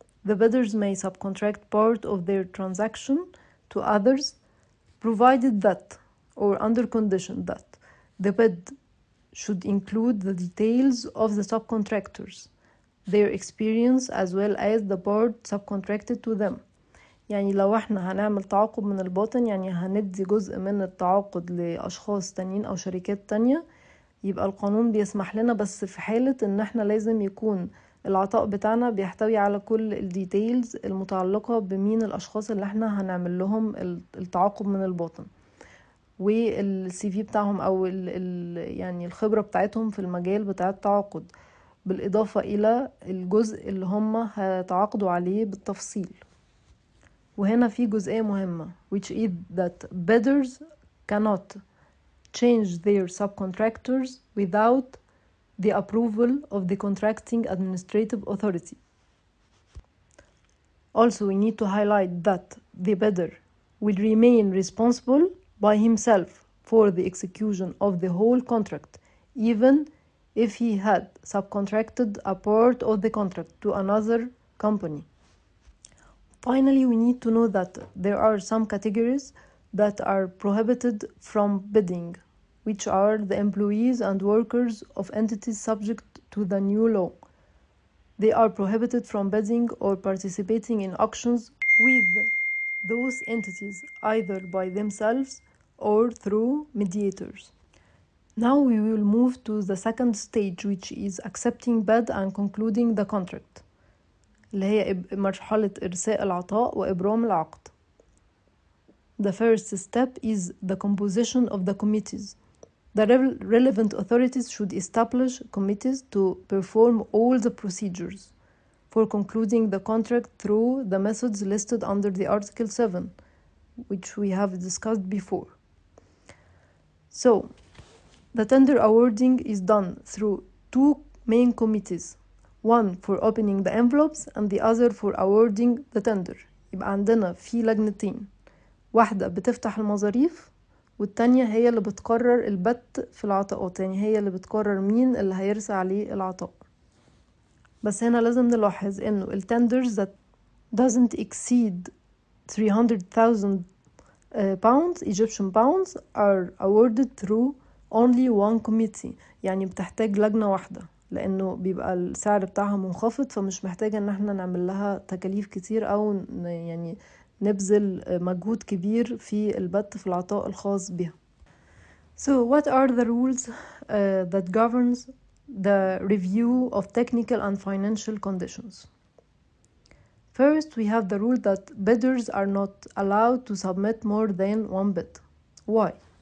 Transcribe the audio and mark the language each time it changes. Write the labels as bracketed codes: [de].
[en] The bidders may subcontract part of their transaction to others, provided that, or under condition that, the bid should include the details of the subcontractors, their experience as well as the part subcontracted to them. [ar] يعني لو احنا هنعمل تعاقد من الباطن، يعني هندي جزء من التعاقد لأشخاص تانيين أو شركات تانية، يبقى القانون بيسمح لنا بس في حالة ان احنا لازم يكون العطاء بتاعنا بيحتوي على كل الديتيلز المتعلقة بمين الأشخاص اللي احنا هنعمل لهم التعاقد من الباطن، والسي في بتاعهم او يعني الخبرة بتاعتهم في المجال بتاع التعاقد، بالإضافة الى الجزء اللي هم هتعاقدوا عليه بالتفصيل. وهنا في جزئية مهمة، [en] which is that bidders cannot change their subcontractors without the approval of the contracting administrative authority. Also, we need to highlight that the bidder will remain responsible by himself for the execution of the whole contract, even if he had subcontracted a part of the contract to another company. Finally, we need to know that there are some categories that are prohibited from bidding, which are the employees and workers of entities subject to the new law. They are prohibited from bidding or participating in auctions with those entities, either by themselves or through mediators. Now we will move to the second stage, which is accepting bid and concluding the contract. [ar] اللي هي مرحلة إرساء العطاء وإبرام العقد. [en] The first step is the composition of the committees. The relevant authorities should establish committees to perform all the procedures for concluding the contract through the methods listed under the Article 7, which we have discussed before. So, the tender awarding is done through two main committees, one for opening the envelopes and the other for awarding the tender. [ar] يبقى عندنا في لجنتين، واحدة بتفتح المظاريف والتانية هي اللي بتقرر البت في العطاءات، يعني هي اللي بتقرر مين اللي هيرسى عليه العطاء. بس هنا لازم نلاحظ انه التندرز [en] that doesn't exceed 300,000 pounds Egyptian pounds are awarded through only one committee، [ar] يعني بتحتاج لجنة واحدة لانه بيبقى السعر بتاعها منخفض، فمش محتاجة ان احنا نعمل لها تكاليف كتير او يعني نبذل مجهود كبير في البت في العطاء الخاص بها. [en] So what are the rules that governs the review of technical and financial conditions? First, we have the rule that bidders are not allowed to submit more than one bid. Why?